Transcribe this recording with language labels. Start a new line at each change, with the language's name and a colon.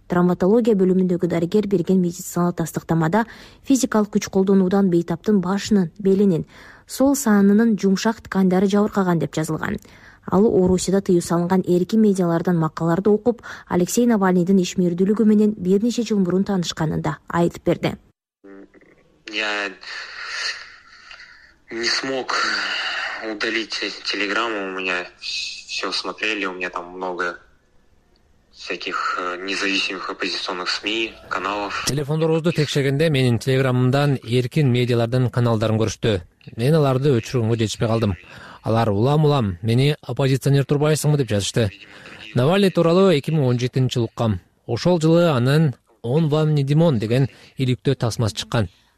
Kyrgyz: Травматология бөлүмүндөгү дарыгер берген медициналык тастыктамада физикалык күч колдонуудан бейтаптын башынын, белинин, сол саанынын жумшак ткандары жабыркаган деп жазылган. Ал Орусияда тыюу салынган эркин медиалардан макаларды окуп, Алексей Навальныйдын ишмердүүлүгү менен бир нече жыл мурун таанышканын да айтып берди.
Russian: Я не смог удалить телеграмму, у меня все смотрели, у меня там много всяких независимых оппозиционных СМИ, каналов.
Kyrgyz: Телефондорубузду текшергенде менин телеграмымдан эркин медиалардын каналдарын көрүштү. Мен аларды өчүрүүгө жетишпей калдым. Алар улам-улам мени оппозиционер турбайсыңбы деп жазышты. Навальный тууралуу 2017-жылы уккам. Ошол жылы анын «Он вам не Димон» деген иликтөө тасмасы чыккан.